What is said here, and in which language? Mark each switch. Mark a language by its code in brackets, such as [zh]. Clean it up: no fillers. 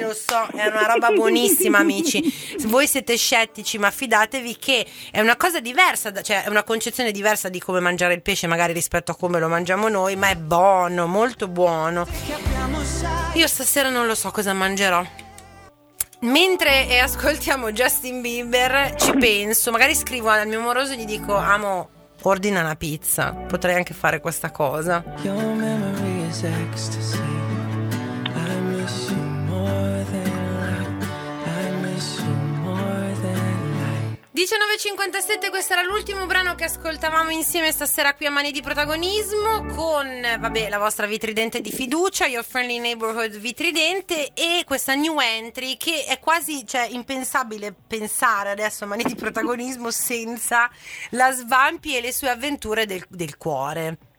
[it] Lo so, è una roba buonissima, amici. Voi siete scettici, ma fidatevi che è una cosa diversa, cioè è una concezione diversa di come mangiare il pesce magari rispetto a come lo mangiamo noi, ma è buono, molto buono. Io stasera non lo so cosa mangerò. Mentre ascoltiamo Justin Bieber, ci penso, magari scrivo al mio amoroso e gli dico: amo, ordina una pizza, potrei anche fare questa cosa. [en] Your memory is ecstasy. I miss you more than life. I miss you more than life. [it] 19:57, questo era l'ultimo brano che ascoltavamo insieme stasera qui a Mani di Protagonismo, con, vabbè, la vostra vitridente di fiducia, [en] Your Friendly Neighborhood [it] vitridente, e questa new entry che è quasi, cioè, impensabile pensare adesso a Mani di Protagonismo senza la Svampi e le sue avventure del cuore.